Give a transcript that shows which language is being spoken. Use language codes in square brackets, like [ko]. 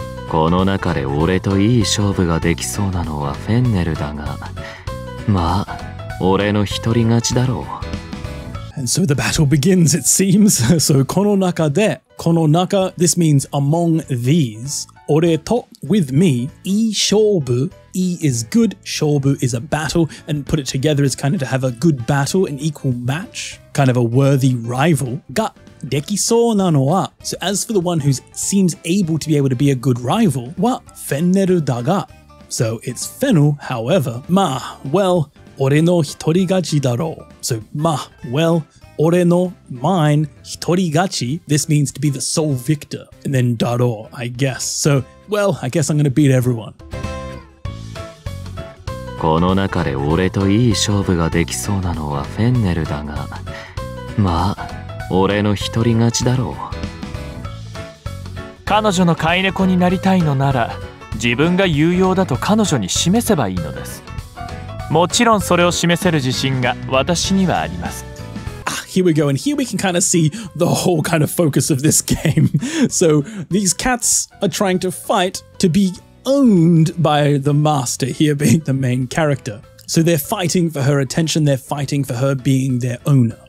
[ja] この中で俺といい勝負ができそうなのはフェンネルだが、まあ、俺の一人勝ちだろう。 [en] And so the battle begins, it seems. So [ja] この中で、 [en] この中、this means among these, [ja] 俺と [en] with me, [ja] いい勝負、 [en] E is good, 勝負 is a battle, and put it together is kind of to have a good battle, an equal match, kind of a worthy rival. [ja] ができそうなのは, [en] so as for the one who seems able to be able to be a good rival, [ja] はフェンネルだが, [en] so it's Fennel, however, まあ, well, [ja] 俺の一人勝ちだろう. [en] So, まあ, well,俺の mine 一人勝ち This means to be the sole victor. And then だろう, I guess. So, well, I guess I'm gonna beat everyone. [ja] この中で俺といい勝負ができそうなのはフェンネルだが、まあ、俺の一人勝ちだろう。彼女の飼い猫になりたいのなら、自分が有用だと彼女に示せばいいのです。もちろんそれを示せる自信が私にはあります。 [en] Here we go, and here we can kind of see the whole kind of focus of this game. So these cats are trying to fight to be owned by the master, here being the main character. So they're fighting for her attention, they're fighting for her being their owner.